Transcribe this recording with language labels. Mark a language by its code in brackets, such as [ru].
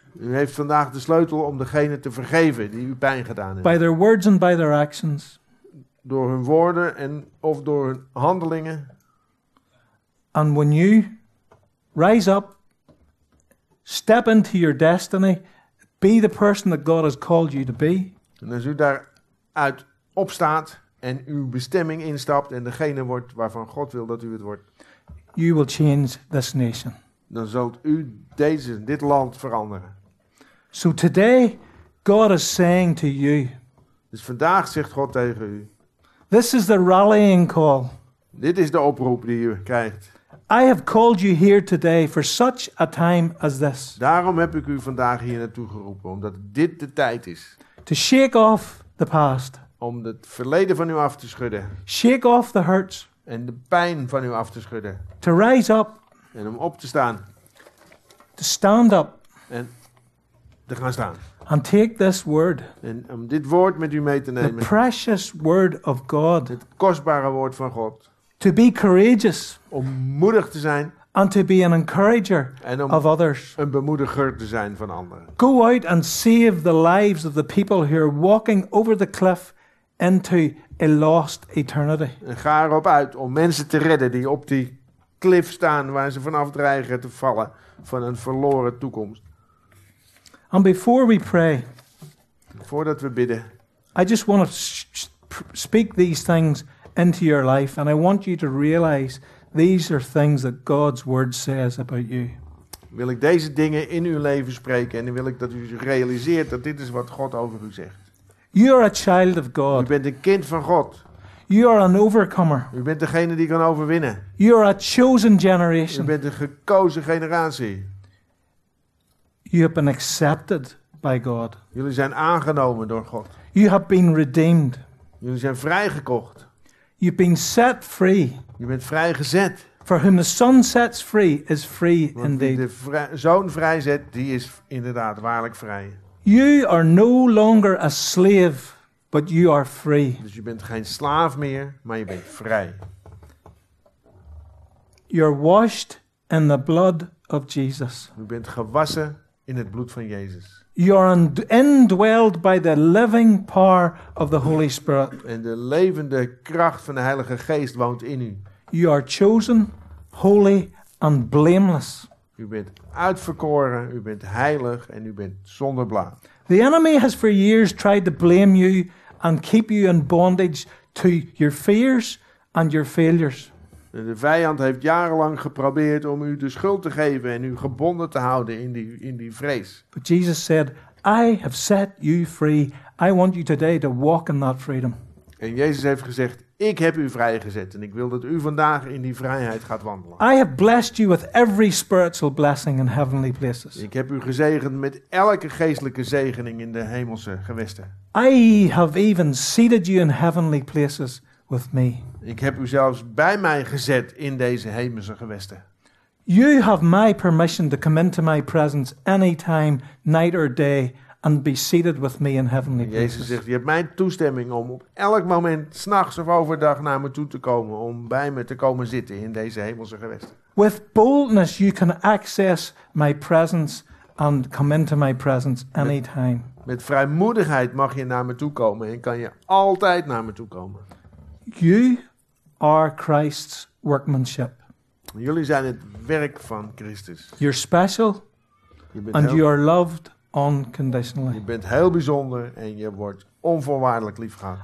[nl] U heeft vandaag de sleutel om degene te vergeven die u pijn gedaan heeft. [en] By their words and by their actions. [nl] Door hun woorden en of door hun handelingen. [en] And when you rise up, step into your destiny, be the person that God has called you to be. [nl] En als u daaruit opstaat en uw bestemming instapt en degene wordt waarvan God wil dat u het wordt. [en] You will change this nation. [nl] Dan zult u dit land veranderen. [en] So today, God is saying to you. [nl] Dus vandaag zegt God tegen u. [en] This is the rallying call. [nl] Dit is de oproep die u krijgt. [en] I have called you here today for such a time as this. [nl] Daarom heb ik u vandaag hier naartoe geroepen, omdat dit de tijd is. [en] To shake off the past. [nl] om het verleden van u af te schudden. [en] Shake off the hurts. [nl] En de pijn van u af te schudden. [en] To rise up. [nl] En om op te staan. [en] To stand up. [nl] En te gaan staan. [en] And take this word. [nl] En om dit woord met u mee te nemen. [en] The precious word of God. [nl] Het kostbare woord van God. [en] To be courageous. [nl] Om moedig te zijn. [en] And to be an encourager of others. [nl] Een bemoediger te zijn van anderen. [en] Go out and save the lives of the people who are walking over the cliff into a lost eternity. [nl] En ga erop uit om mensen te redden die op die klif staan waar ze vanaf dreigen te vallen van een verloren toekomst. [en] And before we pray, [nl] voordat we bidden, [en] I just want to speak these things into your life, and I want you to realize these are things that God's word says about you. [nl] Wil ik deze dingen in uw leven spreken, en wil ik dat u realiseert dat dit is wat God over u zegt. [en] You are a child of God. [nl] U bent een kind van God. [en] You are an overcomer. [nl] U bent degene die kan overwinnen. [en] You are a chosen generation. [nl] U bent een gekozen generatie. [en] You have been accepted by God. [nl] Jullie zijn aangenomen door God. [en] You have been redeemed. [nl] Jullie zijn vrijgekocht. [en] You've been set free. [nl] Je bent vrijgezet. [en] For whom the Son sets free is free indeed. [nl] Want wie de Zoon vrijzet, die is inderdaad waarlijk vrij. [en] You are no longer a slave, but you are free. [nl] Dus je bent geen slaaf meer, maar je bent vrij. [en] You're washed in the blood of Jesus. [nl] Je bent gewassen in het bloed van Jezus. [en] You are indwelled by the living power of the Holy Spirit. [nl] En de levende kracht van de Heilige Geest woont in u. [en] You are chosen, holy and blameless. [nl] U bent uitverkoren, u bent heilig en u bent zonder blaam. [en] The enemy has for years tried to blame you and keep you in bondage to your fears and your failures. [nl] De vijand heeft jarenlang geprobeerd om u de schuld te geven en u gebonden te houden in die vrees. [en] But Jesus said, I have set you free. I want you today to walk in that freedom. [nl] En Jezus heeft gezegd, ik heb u vrijgezet en ik wil dat u vandaag in die vrijheid gaat wandelen. [en] I have blessed you with every spiritual blessing in heavenly places. [nl] Ik heb u gezegend met elke geestelijke zegening in de hemelse gewesten. [en] I have even seated you in heavenly places with me. [nl] Ik heb u zelfs bij mij gezet in deze hemelse gewesten. [en] You have my permission to come into my presence anytime, night or day. And be seated with me in heavenly places. [nl] Jezus zegt, je hebt mijn toestemming om op elk moment, 's nachts of overdag, naar me toe te komen. Om bij me te komen zitten in deze hemelse gewesten. [en] With boldness you can access my presence and come into my presence anytime. [nl] Met vrijmoedigheid mag je naar me toe komen en kan je altijd naar me toe komen. [en] You are Christ's workmanship. [nl] Jullie zijn het werk van Christus. [en] You're special and you are loved. Unconditionally. [nl] Je bent heel bijzonder en je wordt onvoorwaardelijk lief gehad.